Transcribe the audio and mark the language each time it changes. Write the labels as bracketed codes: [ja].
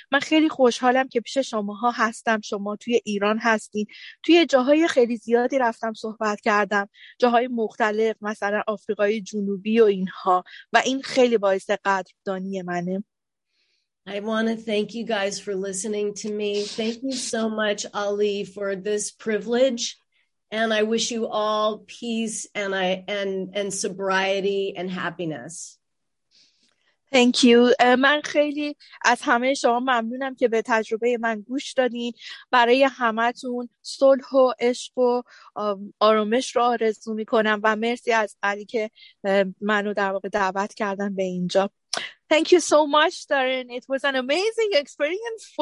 [fa] من خیلی خوشحالم که پیش شماها هستم. شما توی ایران هستین، توی جاهای خیلی زیادی رفتم صحبت کردم، جاهای مختلف، مثلا آفریقای جنوبی و اینها، و این خیلی باعث قدردانی منه. [en] I want to thank you guys for listening to me. Thank you so much, Ali, for this privilege. And I wish you all peace and sobriety and happiness. Thank you. [fa] من خیلی از همه شما ممنونم که به تجربه من گوش دادین. برای همتون صلح و عشق و آرامش رو آرزو میکنم و مرسی از علی که منو در واقع دعوت کردن به اینجا. [en] Thank you so much, Darren. It was an amazing experience for